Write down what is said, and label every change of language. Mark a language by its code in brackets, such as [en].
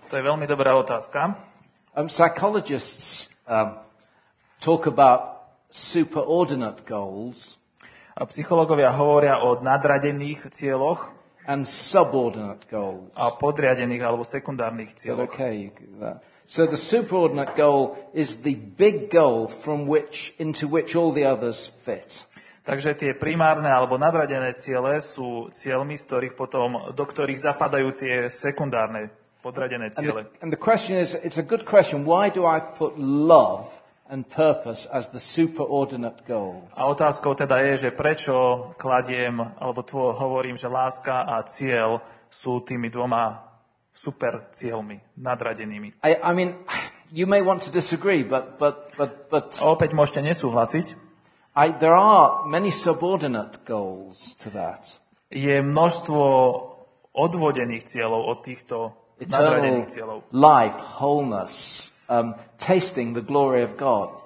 [sk] To je veľmi dobrá otázka. [en] Psychologists talk about superordinate goals. [sk] A psychológovia hovoria o nadradených cieľoch [en] and subordinate goals. [sk] A podriadených alebo sekundárnych cieľoch. [en] Okay. So the superordinate goal is the big goal from which into which all the others fit. [sk] Takže tie primárne alebo nadradené ciele sú cieľmi, z ktorých potom, do ktorých zapadajú tie sekundárne podradené ciele. [en] And the question is, it's a good question, why do I put love and purpose as the superordinate goal? [sk] A otázkou teda je, že prečo kladiem, alebo hovorím, že láska a cieľ sú tými dvoma super cieľmi, nadradenými. [en] I mean, you may want to disagree, but... [sk] Opäť môžete nesúhlasiť. [en] There are many subordinate goals to that. [sk] Je množstvo odvodených cieľov od týchto nadradených cieľov. [en] Life, wholeness, tasting the glory of God.